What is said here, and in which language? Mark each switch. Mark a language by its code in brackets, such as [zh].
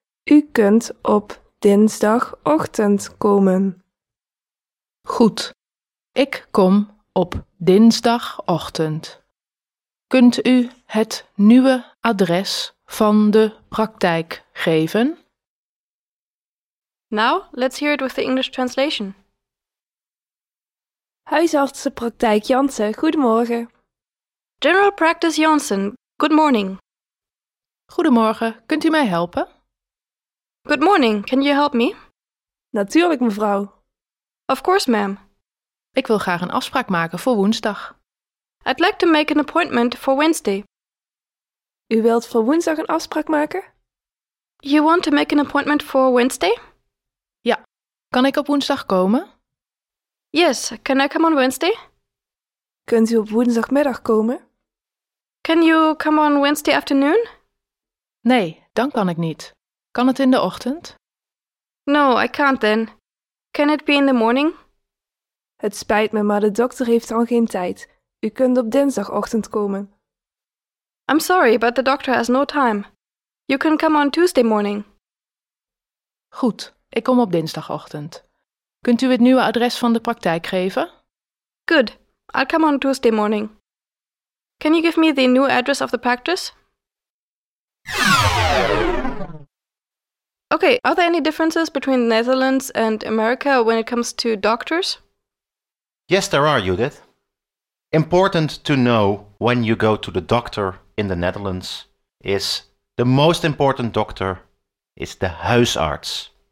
[nl] U kunt op dinsdagochtend komen. Goed, ik kom op dinsdagochtend. Kunt u het nieuwe adres van de praktijk geven? [en] Now, let's hear it with the English translation. [nl] Huisartsenpraktijk Jansen, goedemorgen. [en] General Practice Jansen, good morning. [nl] Goedemorgen, kunt u mij helpen? [en] Good morning, can you help me? [nl] Natuurlijk, mevrouw. [en] Of course, ma'am. [nl] Ik wil graag een afspraak maken voor woensdag. [en] I'd like to make an appointment for Wednesday. [nl] U wilt voor woensdag een afspraak maken? [en] You want to make an appointment for Wednesday? [nl] Kan ik op woensdag komen? [en] Yes, can I come on Wednesday? [nl] Kunt u op woensdagmiddag komen? [en] Can you come on Wednesday afternoon? [nl] Nee, dan kan ik niet. Kan het in de ochtend? [en] No, I can't then. Can it be in the morning? [nl] Het spijt me, maar de dokter heeft dan geen tijd. U kunt op dinsdagochtend komen. [en] I'm sorry, but the doctor has no time. You can come on Tuesday morning. [nl] Goed. Ik kom op dinsdagochtend. Kunt u het nieuwe adres van de praktijk geven? [en] Good. I'll come on Tuesday morning. Can you give me the new address of the practice? Okay, are there any differences between the Netherlands and America when it comes to doctors? Yes, there are, Judith. Important to know when you go to the doctor in the Netherlands is the most important doctor is the huisarts.